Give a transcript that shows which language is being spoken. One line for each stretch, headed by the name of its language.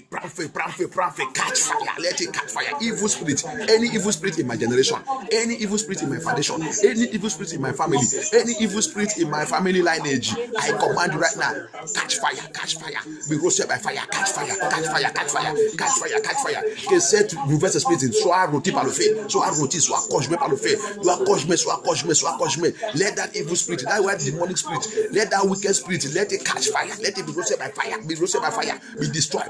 English: catch fire, let it catch fire. Evil spirit, any evil spirit in my generation, any evil spirit in my foundation, any evil spirit in my family, any evil spirit in my family lineage, I command you right now, catch fire, be roasted by fire, catch fire, catch fire, catch fire, catch fire, catch fire.
French: Que cette mauvaise spirit soit rôti par le feu, soit rôti, soit congelé par le feu, soit congelé.
English: Let that evil spirit, that white demonic spirit, let that wicked spirit, let it catch fire, let it be roasted by fire, be roasted by fire, be destroyed.